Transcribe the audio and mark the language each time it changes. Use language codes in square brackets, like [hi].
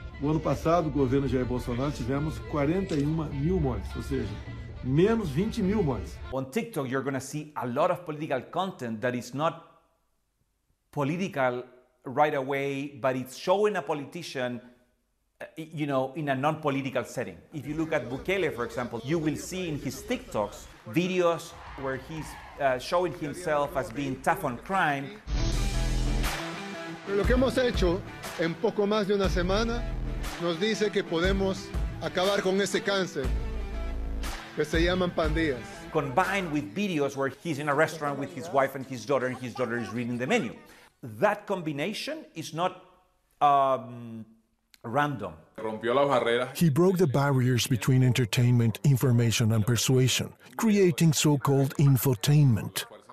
[pt] O ano passado, governo Jair Bolsonaro, tivemos 41 mil mortes, ou seja, menos 20 mil mortes. [en] On TikTok, you're going to see a lot of political content that is not political right away, but it's showing a politician, you know, in a non-political setting. If you look at Bukele, for example, you will see in his TikToks videos where he's showing himself as being tough on crime. [es] Lo que hemos hecho en poco más de una semana nos dice que podemos acabar con ese cáncer que se llaman pandillas. [en] Combined with videos where he's in a restaurant with his wife and his daughter is reading the menu. That combination is not random. He broke the barriers between entertainment, information, and persuasion, creating so-called infotainment.